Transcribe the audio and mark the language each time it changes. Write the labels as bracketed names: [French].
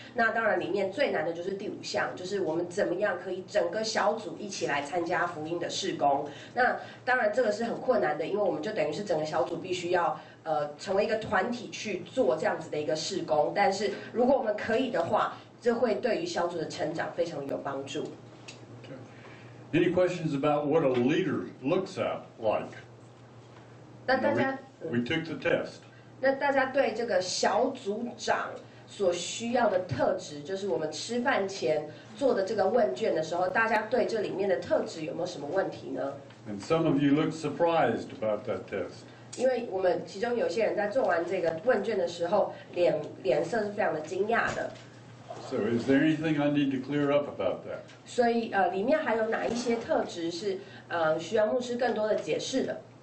[Chinese] 那当然，里面最难的就是第五项，就是我们怎么样可以整个小组一起来参加福音的事工。那当然，这个是很困难的，因为我们就等于是整个小组必须要成为一个团体去做这样子的一个事工。但是如果我们可以的话，这会对于小组的成长非常有帮助。 [English] Any questions about what a leader looks at like? [Chinese] 那大家 [English] we took the test. [Chinese] 那大家对这个小组长所需要的特质，就是我们吃饭前做的这个问卷的时候，大家对这里面的特质有没有什么问题呢？ [English] And some of you look surprised about that test. [Chinese] 因为我们其中有些人在做完这个问卷的时候，脸色是非常的惊讶的。 [English] So is there anything I need to clear up about that? [Chinese] 所以里面还有哪一些特质是需要牧师更多的解释的？